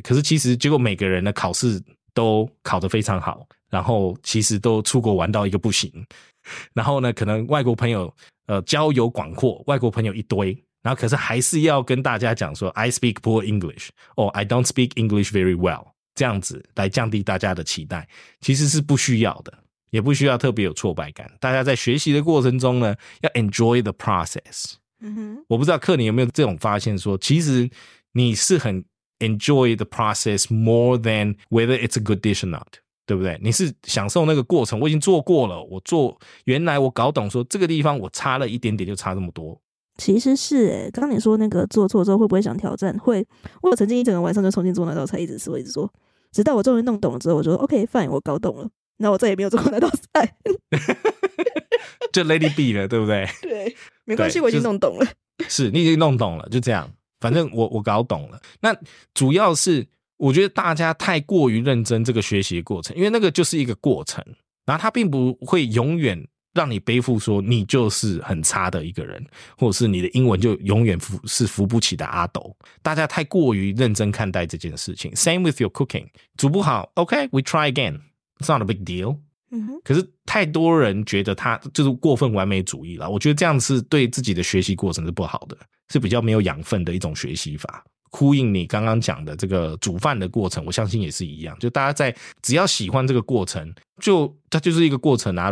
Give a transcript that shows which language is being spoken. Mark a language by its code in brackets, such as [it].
[zh] 可是其实结果每个人的考试都考得非常好，然后其实都出国玩到一个不行，然后呢可能外国朋友交友广阔，外国朋友一堆，然后可是还是要跟大家讲说 [en] I speak poor English or I don't speak English very well， [zh] 这样子来降低大家的期待，其实是不需要的，也不需要特别有挫败感。大家在学习的过程中呢，要 [en] enjoy the process。 [zh] 嗯哼，我不知道克林有没有这种发现，说其实你是很 [en] enjoy the process more than whether it's a good dish or not， [zh] 对不对？你是享受那个过程，我已经做过了，我做原来我搞懂说这个地方我差了一点点就差这么多。其实是诶，刚你说那个做错之后会不会想挑战，会。我曾经一整个晚上就重新做那道菜，一直说一直说，直到我终于弄懂了之后，我就说 [en] OK fine [zh] 我搞懂了，那我再也没有做过那道菜。就 Lady B 了，对不对？对，没关系，我已经弄懂了。是你已经弄懂了，就这样，反正我搞懂了。那主要是我觉得大家太过于认真这个学习的过程，因为那个就是一个过程，然后它并不会永远让你背负说你就是很差的一个人，或者是你的英文就永远是扶不起的阿斗。大家太过于认真看待这件事情。 [en] Same with your cooking， [zh] 煮不好 [en] OK we try again， it's not a big deal。 [zh] 可是太多人觉得他就是过分完美主义了，我觉得这样是对自己的学习过程是不好的，是比较没有养分的一种学习法。呼应你刚刚讲的这个煮饭的过程，我相信也是一样，就大家在只要喜欢这个过程，就它就是一个过程啊。